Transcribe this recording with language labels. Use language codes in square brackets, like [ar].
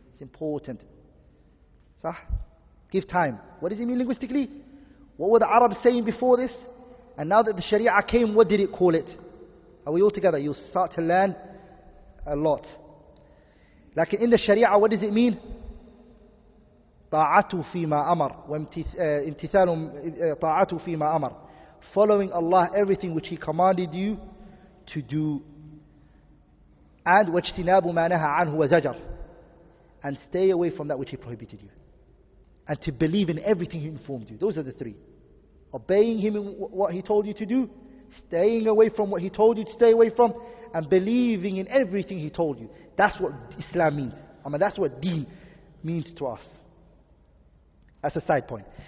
[en] It's important. صح? Give time. What does it mean linguistically? What were the Arabs saying before this? And now that the Sharia came, what did it call it? Are we all together? You'll start to learn a lot. Like in the Sharia, what does it mean? [ar] طاعته فيما أمر وامتثال طاعته فيما أمر. [en] Following Allah, everything which He commanded you to do. [ar] And واجتناب ما نهى عنه وزجر. [en] And stay away from that which He prohibited you. And to believe in everything He informed you. Those are the three. Obeying Him in what He told you to do, staying away from what He told you to stay away from, and believing in everything He told you. That's what Islam means. I mean, that's what deen means to us. That's a side point.